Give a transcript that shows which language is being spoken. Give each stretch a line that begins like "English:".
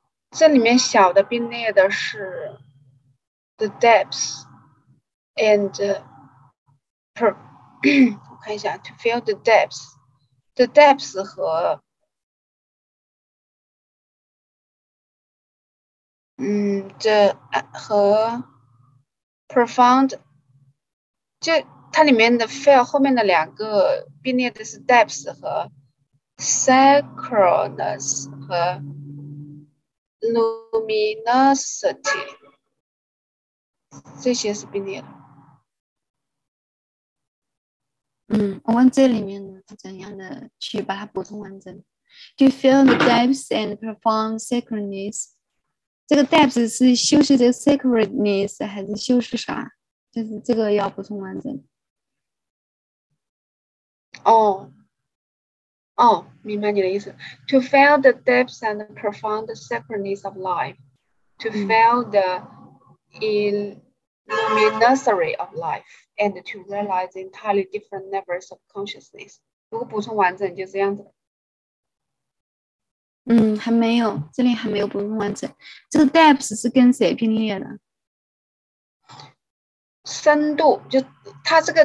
Chinese: 这里面小的并列的是
English: the depths and per
Chinese: 我看一下
English: to feel the depths
Chinese: 和这和profound， 就它里面的 feel 后面的两个并列的是 depths 和 sacredness 和
English: luminosity.
Chinese: 这些是并列的。我问这里面怎样的去把它补充完整。
English: Do you feel the depths and profound sacredness?
Chinese: 这个depths是修饰这个sacredness 还是修饰啥? 就是这个要补充完整。哦，明白你的意思。
English: To feel the depths and the profound sacredness of life. To feel the illuminosity of life. And to realize entirely different levels of consciousness.
Chinese: 如果补充完整就这样子。还没有，这里还没有补充完整。这个 depth 是跟谁并列的？深度，就它这个